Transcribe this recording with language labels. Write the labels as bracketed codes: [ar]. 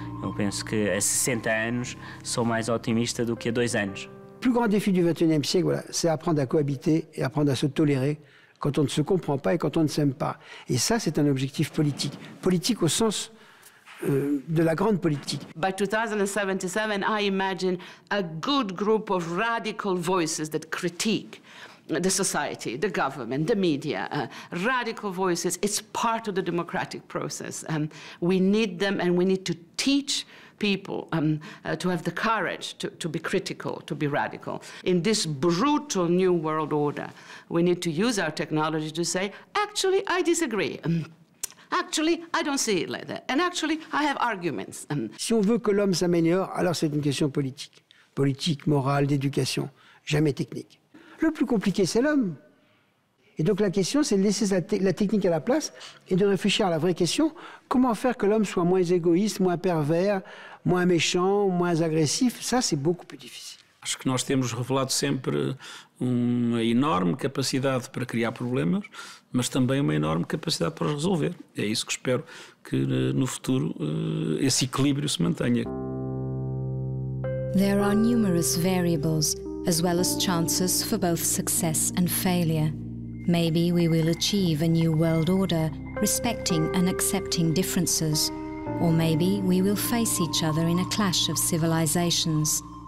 [pt] Eu penso que há 60 anos sou mais otimista do que há 2 anos. [fr] O plus grand défi du 21e siècle, c'est apprendre à cohabiter et apprendre à se tolérer quand on ne se comprend pas et quand on ne s'aime pas. Et ça, c'est un objectif politique. Politique au sens de la grande politique. [en] By 2077, I imagine a good group of radical voices that critique the society, the government, the media, radical voices. It's part of the democratic process. We need them, and we need to teach people to have the courage to be critical, to be radical. In this brutal new world order, we need to use our technology to say, actually, I disagree. Actually, I don't see it like that. And actually, I have arguments. [fr] Si on veut que l'homme s'améliore, alors c'est une question politique. Politique, morale, d'éducation, jamais technique. Le plus compliqué, c'est l'homme. Et donc la question, c'est de laisser la technique à la place et de réfléchir à la vraie question. Comment faire que l'homme soit moins égoïste, moins pervers, moins méchant, moins agressif? Ça, c'est beaucoup plus difficile. [pt] Acho que nós temos revelado sempre uma enorme capacidade para criar problemas, mas também uma enorme capacidade para resolver. É isso que espero que no futuro esse equilíbrio se mantenha. [en] There are numerous variables, as well as chances for both success and failure. Maybe we will achieve a new world order, respecting and accepting differences. Or maybe we will face each other in a clash of civilizations.